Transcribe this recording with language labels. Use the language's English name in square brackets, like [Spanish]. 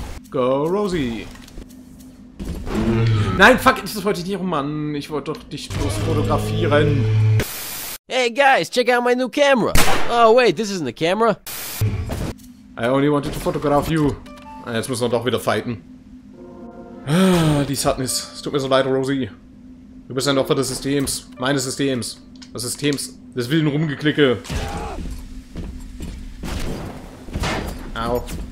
[English] Go, Rosie. [German] Nein, fuck, das wollte ich nicht, Mann. Ich wollte doch dich bloß fotografieren. [English] Hey, guys, check out my new camera. Oh, wait, this isn't a camera. I only wanted to photograph you. [German] Jetzt müssen wir doch wieder fighten. Die Sadness. Es tut mir so leid, Rosie. Du bist ein Opfer des Systems. Meines Systems. Das Systems. Des wilden Rumgeklicke. Au.